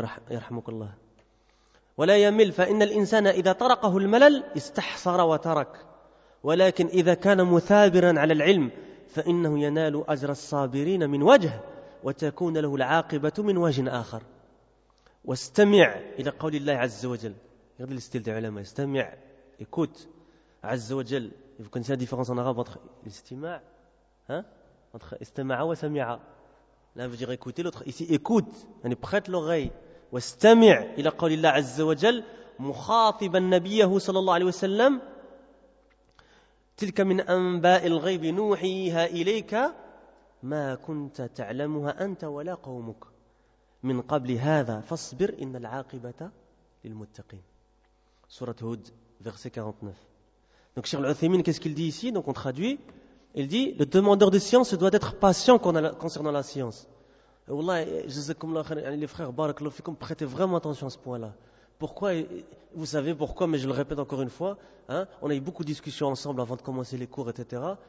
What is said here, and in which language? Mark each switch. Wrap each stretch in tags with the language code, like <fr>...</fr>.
<ar>يرحمك الله ولا يمل فإن الإنسان إذا طرقه الملل استحصر وترك ولكن إذا كان مثابرا على العلم فإنه ينال أجر الصابرين من وجه وتكون له العاقبة من وجه آخر واستمع إلى قول الله عز وجل.</ar> <fr>Regarde le style des ulama. استمع, écoute.</fr> <ar>عز وجل.</ar> <fr>Vous connaissez la différence en arabe entre استمع, hein? Entre استمع و سمع. L'un veut dire écouter, l'autre ici écoute. يعني prête l'oreille.</fr> <ar>واستمع إلى قول الله عز وجل مخاطبا نبيه صلى الله عليه وسلم تلك من أنباء الغيب نوحيها إليك ما كنت تعلمها أنت ولا قومك من قبل هذا فاصبر إن العاقبة للمتقين.</ar> <fr>سورة هود verset 49. Donc Cheikh Al-Uthaymin, qu'est-ce qu'il dit ici? Donc on traduit. Il dit, le demandeur de science doit être patient concernant la science. Et Allah, jazakoum la khair, les frères, barakallahu fikoum, prêtez vraiment attention à ce point-là. Pourquoi? Vous savez pourquoi, mais je le répète encore une fois. Hein, on a eu beaucoup de discussions ensemble avant de commencer les cours, etc.</fr>